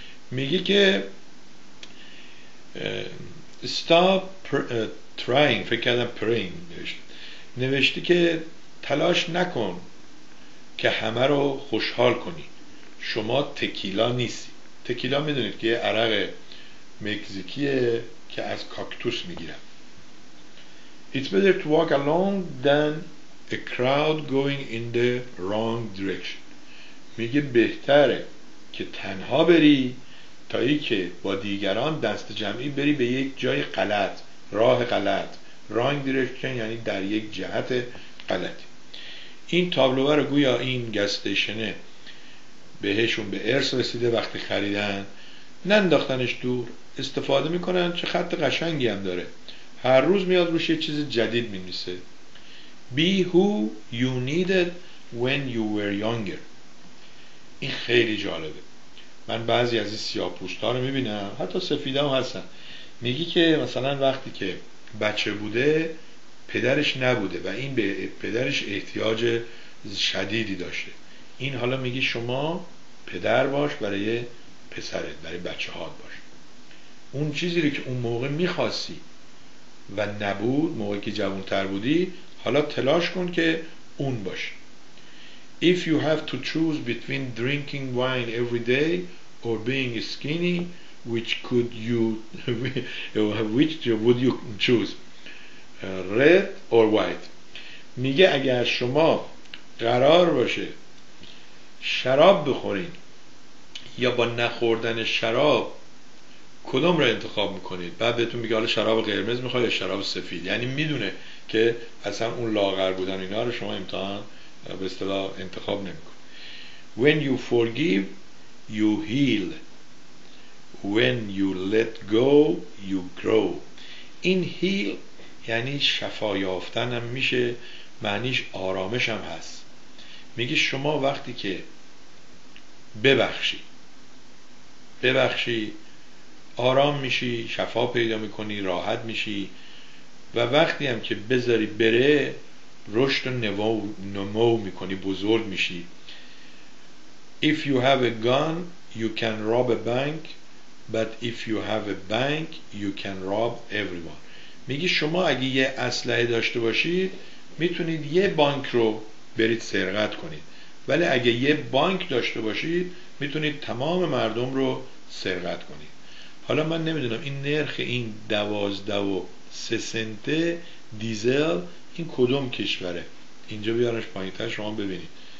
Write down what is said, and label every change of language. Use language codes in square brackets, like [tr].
[fa] میگه که [en] stop trying، [fa] فکر کردم praying نوشت. نوشتی که تلاش نکن که همه رو خوشحال کنی، شما تکیلا نیستی. تکیلا میدونید که یه عرق مکزیکیه که از کاکتوس میگیرن. [en] It's better to walk alone than a crowd going in the wrong direction. [fa] میگه بهتره که تنها بری تا ای که با دیگران دست جمعی بری به یک جای غلط، راه غلط. [en] wrong direction [fa] یعنی در یک جهت غلطی. این تابلوه رو گویا این گستشنه بهشون به ارث رسیده وقتی خریدن، ننداختنش دور، استفاده میکنن. چه خط قشنگی هم داره، هر روز میاد روش یه چیز جدید می‌نویسه. [en] Be who you needed when you were younger. [fa] این خیلی جالبه. من بعضی از این سیاه‌پوستا رو می‌بینم، حتی سفیدام هستن، میگی که مثلا وقتی که بچه بوده پدرش نبوده و این به پدرش احتیاج شدیدی داشته، این حالا میگی شما پدر باش برای پسرت، برای بچه‌هات باش. اون چیزی رو که اون موقع می‌خواستی و نبود، موقعی که جوان‌تر بودی، حالا تلاش کن که اون باشه. [en] If you have to choose between drinking wine every day or being skinny, which would you choose? Red or white? [fa] میگه اگر شما قرار باشه شراب بخورین یا با نخوردن شراب، کدام را انتخاب میکنید؟ بعد بهتون میگه حالا شراب قرمز میخوای یا شراب سفید. یعنی میدونه که اصلا اون لاغر بودن اینا رو شما امتحان به اصطلاح انتخاب نمیکن. [en] When you forgive you heal، when you let go you grow. [fa] این heal یعنی شفا یافتن هم میشه، معنیش آرامش هم هست. میگه شما وقتی که ببخشی آرام میشی، شفا پیدا میکنی، راحت میشی، و وقتی هم که بذاری بره رشد و نمو میکنی، بزرگ میشی. [en] If you have a gun you can rob a bank but if you have a bank you can rob everyone. [fa] میگی شما اگه یه اسلحه داشته باشید میتونید یه بانک رو برید سرقت کنید، ولی اگه یه بانک داشته باشید میتونید تمام مردم رو سرقت کنید. حالا من نمیدونم این نرخ این 12.3 سنت دیزل این کدوم کشوره، اینجا بیارنش پایین تر شما ببینید.